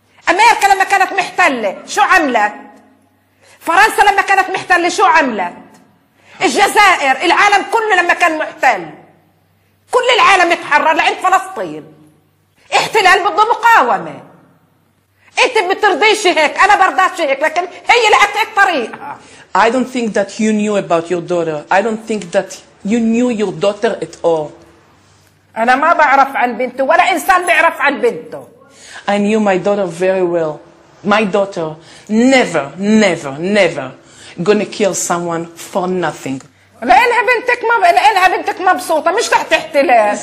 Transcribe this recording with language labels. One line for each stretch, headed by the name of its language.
Arabic: أمريكا لما كانت محتلة شو عملت؟ فرنسا لما كانت محتلة شو عملت؟ الجزائر، العالم كله لما كان محتل كل العالم اتحرر لعند فلسطين. احتلال بده مقاومة. انت بترضيش هيك، انا برضاش هيك، لكن هي لعبت هيك طريقة.
English: I don't think that you knew about your daughter. I don't think that you knew your daughter at all.
Arabic: انا ما بعرف عن بنته ولا انسان بيعرف عن بنته.
English: I knew my daughter very well. My daughter never, never, never gonna kill someone for nothing.
Arabic: لانها بنتك ما لانها بنتك مبسوطة مش تحت احتلال.